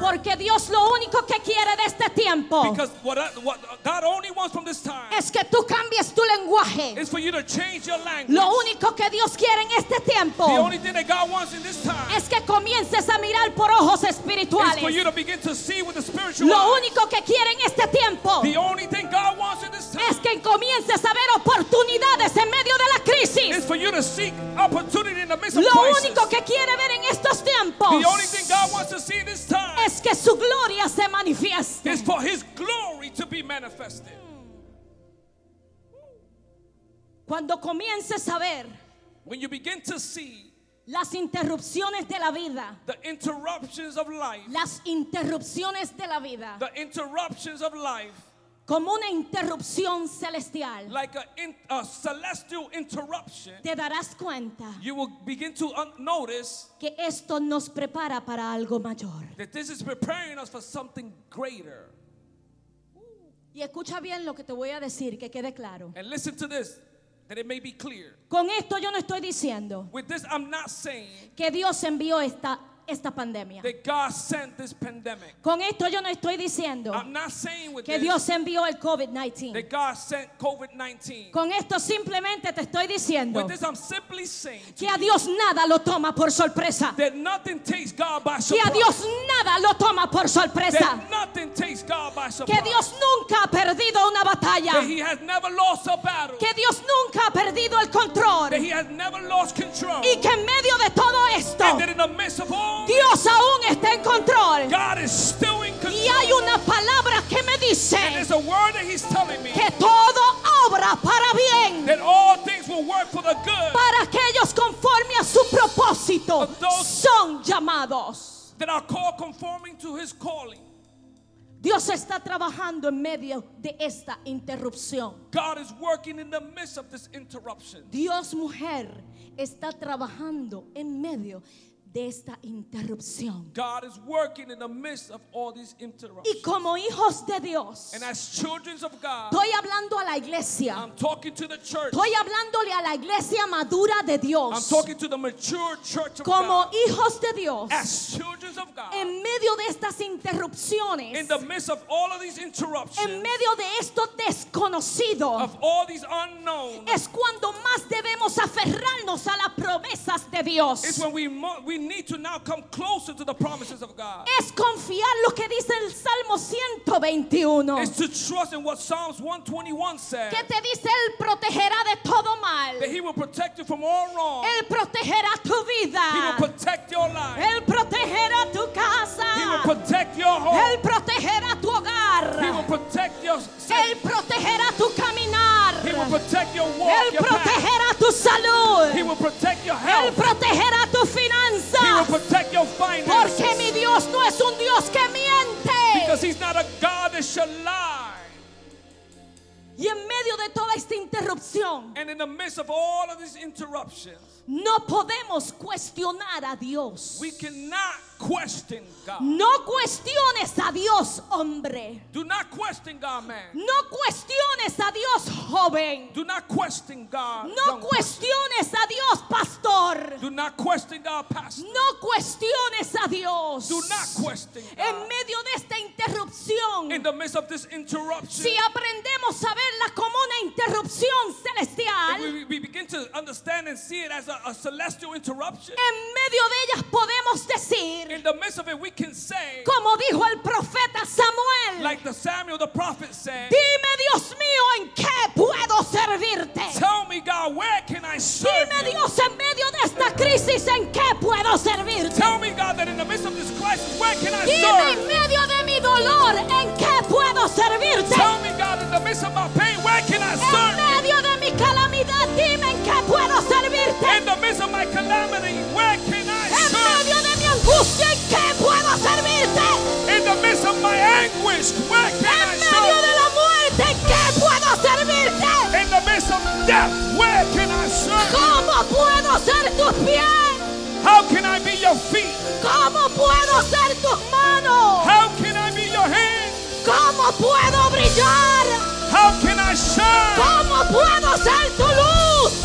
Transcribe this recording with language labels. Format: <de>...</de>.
<es>Porque Dios lo único que quiere de este tiempo.</es> <en>Because what God only wants from this time.</en> <es>Es que tú cambies tu lenguaje.</es> <en>Is for you to change your language.</en> <es>Lo único que Dios quiere en este tiempo.</es> <en>The only thing that God wants in this time.</en> <es>Es que comiences a mirar por ojos espirituales.</es> <en>Is for you to begin to see with the spiritual</en> <es>Lo único que quiere en este tiempo.</es> <en>The only thing God wants in this time.</en> <es>Es que comiences a ver oportunidades en medio de la crisis.</es> <en>Is for you to seek opportunity in the midst of</en> <es>lo</es> <en>crisis.</en> <es>Único que quiere ver en estos tiempos.</es> <en>The only thing God wants to see in this time.</en> <es>Es que su gloria se manifieste.</es> <en>Is for his glory to be manifested.</en> <es>Cuando comiences a ver</es> <en>when you begin to see</en> <es>las interrupciones de la vida,</es> <en>the interruptions of life,</en> <es>las interrupciones de la vida,</es> <en>the interruptions of life,</en> <es>como una interrupción celestial,</es> <en>like a celestial interruption,</en> <es>te darás cuenta,</es> <en>you will begin to notice,</en> <es>que esto nos prepara para algo mayor,</es> <en>that this is preparing us for something greater.</en> <es>Y escucha bien lo que te voy a decir, que quede claro.</es> <en>And listen to this, that it may be clear.</en> <es>Con esto yo no estoy diciendo,</es> <en>with this I'm not saying,</en> <es>que Dios envió esta pandemia.</es> <en>That God sent this pandemic.</en> <es>Con esto yo no estoy diciendo,</es> <en>I'm not saying with</en> <es>que</es> <en>this,</en> <es>Dios envió el COVID-19.</es> <en>That God sent COVID-19.</en> <es>Con esto simplemente te estoy diciendo,</es> <en>with this I'm simply saying,</en> <es>que a Dios nada lo toma por sorpresa.</es> <en>That nothing takes God by surprise.</en> <es>Que a Dios nada lo toma por sorpresa.</es> <en>That nothing takes God by surprise.</en> <es>Que Dios nunca ha perdido una batalla.</es> <en>That he has never lost a battle.</en> <es>Que Dios nunca ha perdido el control.</es> <en>That he has never lost control.</en> <es>Y que en medio de todo esto,</es> <en>and that in the midst of all,</en> <es>Dios aún está en control.</es> <en>God is still in control.</en> <es>Y hay una palabra que me dice,</es> <en>and there's a word that he's telling me,</en> <es>que todo obra para bien,</es> <en>that all things will work for the good,</en> <es>para aquellos conforme a su propósito son llamados,</es> <en>that are called conforming to his calling.</en> <es>Dios está trabajando en medio de esta interrupción.</es> <en>God is working in the midst of this interruption.</en> <es>Dios, mujer, está trabajando en medio de esta interrupción.</es> <en>God is working in the midst of all these interruptions.</en> <es>Y como hijos de Dios,</es> <en>and as children of God,</en> <es>estoy hablando a la iglesia.</es> <en>I'm talking to the church.</en> <es>Estoy hablándole a la iglesia madura de Dios.</es> <en>I'm talking to the mature church of</en> <es>como</es> <en>God.</en> <es>Como hijos de Dios,</es> <en>as children of God,</en> <es>en medio de estas interrupciones,</es> <en>in the midst of all of these interruptions,</en> <es>en medio de esto desconocido,</es> <en>of all these unknown,</en> <es>es cuando más debemos aferrarnos a las promesas de Dios.</es> <en>It's when we need to now come closer to the promises of God.</en> <es>Es confiar lo que dice el Salmo 121.</es> <en>It's to trust in what Psalms 121 says.</en> <es>Que te dice, él protegerá de todo mal.</es> <en>That he will protect you from all wrong.</en> <es>Él protegerá tu vida.</es> <en>He will protect your life.</en> <es>Él protegerá tu casa.</es> <en>He will protect your home.</en> <es>Él protegerá tu hogar.</es> <en>He will protect your safety.</en> <es>Él protegerá tu caminar.</es> <en>He will protect your walk,</en> <es>él</es> <en>your</en> <es>protegerá</es> <en>path,</en> <es>tu salud.</es> <en>He will protect your health.</en> <es>Él protegerá tu finanzas.</es> <en>He will protect your finances.</en> <es>Porque mi Dios no es un Dios que miente.</es> <en>Because he's not a God that shall lie.</en> <es>Y en medio de toda esta interrupción,</es> <en>and in the midst of all of these interruptions,</en> <es>no podemos cuestionar a Dios.</es> <en>We cannot question God.</en> <es>No cuestiones a Dios, hombre.</es> <en>Do not question God, man.</en> <es>No cuestiones a Dios, joven.</es> <en>Do not question God.</en> <es>No cuestiones a Dios, pastor.</es> <en>Do not question God, pastor.</en> <es>No cuestiones a Dios.</es> <en>Do not question God.</en> <es>En medio de esta interrupción,</es> <en>in the midst of this interruption,</en> <es>si aprendemos a verla como una interrupción celestial,</es> <en>we begin to understand and see it as a celestial interruption,</en> <es>en medio de ellas podemos decir,</es> <en>in the midst of it we can say,</en> <es>como dijo el profeta Samuel,</es> <en>like the Samuel the prophet said,</en> <es>dime Dios mío, ¿en qué puedo servirte?</es> <en>Tell me God, where can I serve you?</en> <es>Dime Dios, en medio de esta crisis, ¿en qué puedo servirte?</es> <en>Tell me God, that in the midst of this crisis, where can I</en> <es>dime</es> <en>serve?</en> <es>Dime en medio de mi dolor, ¿en qué puedo servirte?</es> <en>Tell me God, in the midst of my pain, where can I serve?</en> <es>En medio de mi calamidad, dime en qué puedo servirte?</es> <en>In the midst of my calamity, where can I</en> <es>en</es> <en>serve?</en> <es>En medio de mi angustia, ¿en qué puedo servirte?</es> <en>In the midst of my anguish, where can</en> <es>en</es> <en>I serve?</en> <es>En medio de la muerte, ¿en qué puedo servirte?</es> <en>In the midst of death, where can I serve?</en> <es>¿Cómo puedo ser tus pies?</es> <en>How can I be your feet?</en> <es>¿Cómo puedo ser tus manos?</es> <en>How can I be your hands?</en> <es>¿Cómo puedo brillar?</es> <en>How can I shine?</en> <es>¿Cómo puedo ser tu luz?</es>